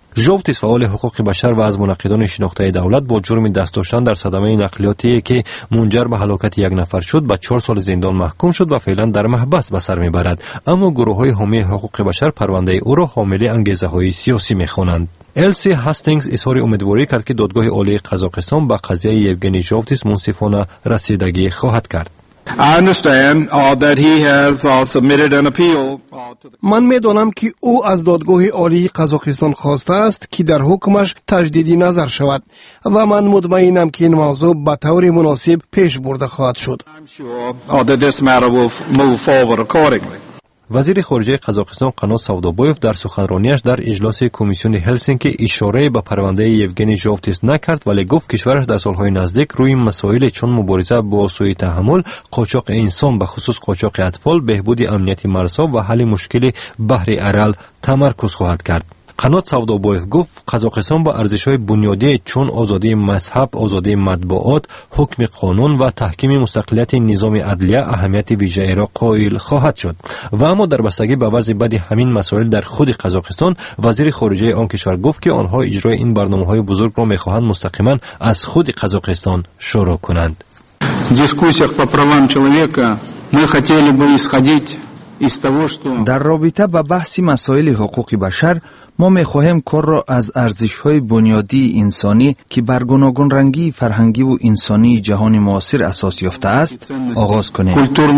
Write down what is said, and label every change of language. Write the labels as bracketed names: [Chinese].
[Persian] جوفتیس فعال حقوق بشر و از منتقدان شناخته دولت با جرم دست داشتن در صدمه نقلیاتی که منجر به هلاکت یک نفر شد به 4 سال زندان محکوم شد و فعلا در محبس به سر میبرد، اما گروه های حامی حقوق بشر پرونده او را حامل انگیزه های سیاسی میخوانند. السی هاستینگز اظهار امیدواری کرد که دادگاه عالی قزاقستان به قضیه یوگنی جوفتیس منصفانه رسیدگی خواهد کرد. [English] I understand that he has submitted an appeal to the [Persian] من میدونم که او از دادگاه عالی قزاقستان خواسته است که در حکمش تجدید نظر شود و من مطمئنم که این موضوع به طور مناسب پیش برده خواهد شد. [English] I'm sure that this matter will move forward accordingly. [Persian] وزیر خارجه قزاقستان قناه سودابایوف در سخنرانیش در اجلاس کمیسیون هلسینکی اشاره به پرونده یوگنی ژوفتیس نکرد، ولی گفت کشورش در سالهای نزدیک روی مسائل چون مبارزه با سوء تحمل، قاچاق انسان به خصوص قاچاق اطفال، بهبود امنیت مرزها و حل مشکل بحر ارال تمرکز خواهد کرد. قناه سودابایوف گفت قزاقستان با ارزش‌های بنیادی چون آزادی مذهب، آزادی مطبوعات، حکم قانون و تحکیم مستقلیت نظام عدلیه اهمیت ویژه را قائل خواهد شد. و اما در بستگی به وضع بد همین مسائل در خود قزاقستان، وزیر خارجه آن کشور گفت که آنها اجرای این برنامه‌های بزرگ را می‌خواهند مستقیما از خود قزاقستان شروع کنند. دیسکوسیях [Russian] по правам человека мы хотели бы исходить [Persian] در رابطه با بحث مسائل حقوق بشر، ما می خواهیم کار را از ارزش‌های بنیادی انسانی که بر گوناگون رنگی فرهنگی و انسانی جهان معاصر اساس یافته است آغاز کنیم.